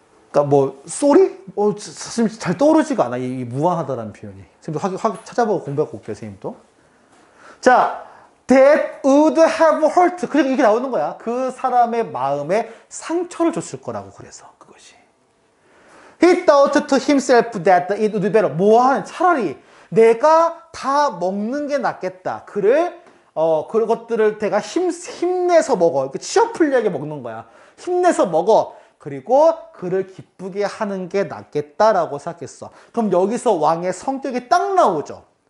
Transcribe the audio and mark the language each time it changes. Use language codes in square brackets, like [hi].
[ko] 그러니까 뭐 쏘리? 선생님 잘 떠오르지가 않아. 이 무안하다라는 표현이. 지금 확 찾아보고 공부하고 올게요, 선생님 또. 자. [en] That would have hurt. [ko] 그냥 이게 나오는 거야. 그 사람의 마음에 상처를 줬을 거라고 그래서 그것이. [en] He thought to himself that it would be better. [ko] 뭐 하는? 차라리 내가 다 먹는 게 낫겠다. 그런 것들을 내가 힘내서 먹어. 치어풀리하게 먹는 거야. 힘내서 먹어. 그리고 그를 기쁘게 하는 게 낫겠다라고 생각했어. 그럼 여기서 왕의 성격이 딱 나오죠.